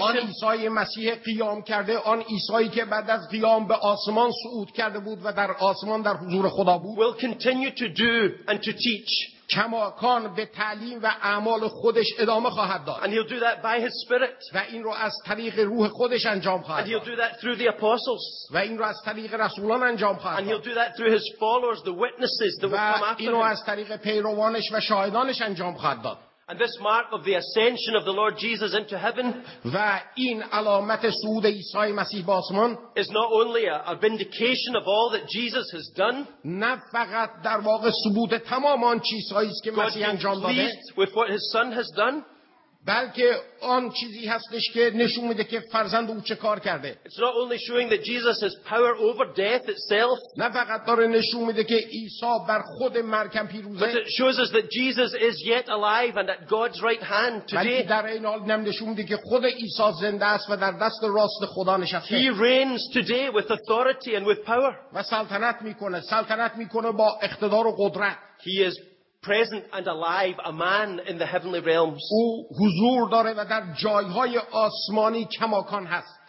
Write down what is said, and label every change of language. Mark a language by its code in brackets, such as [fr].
[fa] آن عیسی مسیح قیام کرده، آن عیسایی که بعد از قیام به آسمان صعود کرده بود و در آسمان در حضور خدا بود. [en] Will continue to do and to teach. [fa] کماکان به تعلیم و اعمال خودش ادامه خواهد داد. [en] And he'll do that by his spirit. [fa] و این رو از طریق روح خودش انجام خواهد داد. [en] And he'll do that through the apostles. [fa] و این رو از طریق رسولان انجام خواهد داد. [en] And he'll do that through his followers, the witnesses that will come after him. [fa] و این رو از طریق پیروانش و شاهدانش انجام خواهد داد. [en] And this mark of the ascension of the Lord Jesus into heaven. [fa] و این علامت صعود عیسی مسیح به آسمان. [en] Is not only a vindication of all that Jesus has done. [fa] نه فقط در واقع ثبوت تمام آن چیزهایی است که مسیح انجام داده. [en] God is pleased with what His Son has done. [fa] بلکه آن چیزی هستش که نشون میده که فرزند او چه کار کرده. [en] It's not only showing that Jesus has power over death itself. [fa] نه فقط داره نشون میده که عیسی بر خود مرگ هم پیروزه. [en] But it shows us that Jesus is yet alive and at God's right hand today. [fa] بلکه در این حال نشون میده که خود عیسی زنده است و در دست راست خدا نشسته. [en] He reigns today with authority and with power. [fa] و سلطنت میکنه با اقتدار و قدرت. [en] He is present and alive, a man in the heavenly realms. [fa] او حضور داره و در جایهای آسمانی کماکان هست.